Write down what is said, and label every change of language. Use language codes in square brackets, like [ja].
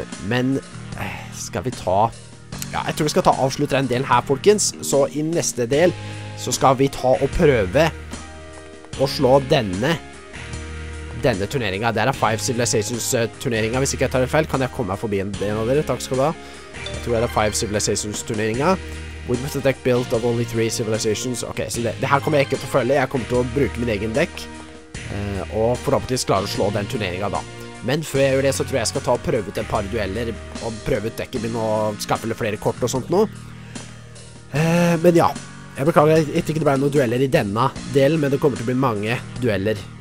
[no] Men skal vi ta... Ja, jeg tror vi skal ta avslutte den delen her, folkens. Så I neste del så skal vi ta og prøve å slå denne. Denne turneringen, det Five Civilizations turneringen, hvis ikke jeg tar det feil, kan jeg komme meg forbi en av dere, takk skal du ha. Jeg tror det Five Civilizations turneringen. [en] With the deck built of only three civilizations. [no] Ok, så det her kommer jeg ikke til å følge, jeg kommer til å bruke min egen deck. Og forhåpentligvis klare å slå den turneringen da. Men før jeg gjør det, så tror jeg jeg skal ta og prøve ut et par dueller, og prøve ut dekket min og skaffe litt flere kort og sånt nå. Men ja, jeg beklager at det ikke ble noen dueller I denne delen, men det kommer til å bli mange dueller.